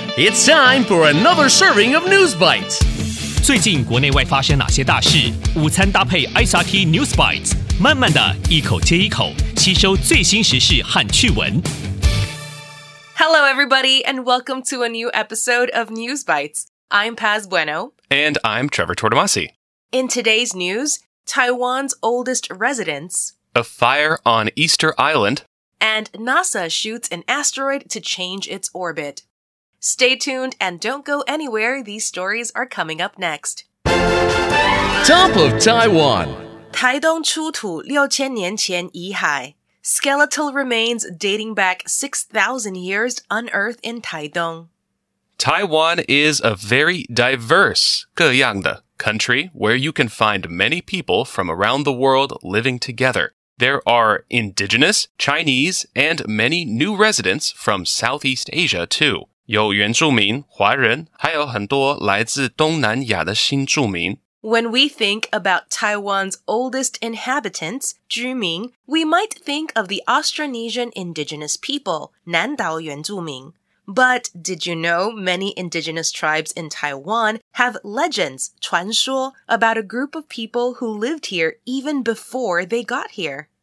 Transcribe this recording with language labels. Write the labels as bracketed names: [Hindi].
[English] It's time for another serving of News Bites. [Chinese] 最近国内外发生哪些大事？午餐搭配 SRT News Bites， 慢慢的一口接一口，吸收最新时事和趣闻。 [English] Hello, everybody, and welcome to a new episode of News Bites. I'm Paz Bueno. And I'm Trevor Tortomasi. In today's news, Taiwan's oldest residents, a fire on Easter Island, and NASA shoots an asteroid to change its orbit. Stay tuned and don't go anywhere. These stories are coming up next. Top of Taiwan. [Chinese] 台东出土六千年前遗骸。 [English] Skeletal remains dating back 6,000 years unearthed in Taidong. Taiwan is a very diverse [Chinese] 各样的 [English] country where you can find many people from around the world living together. There are indigenous, Chinese, and many new residents from Southeast Asia too. [Chinese] 有原住民、华人，还有很多来自东南亚的新住民。 [English] When we think about Taiwan's oldest inhabitants, [Chinese] 居民, [English] we might think of the Austronesian indigenous people, [Chinese] 南岛原住民. [English] But did you know many indigenous tribes in Taiwan have legends, [Chinese] 传说, [English] about a group of people who lived here even before they got here?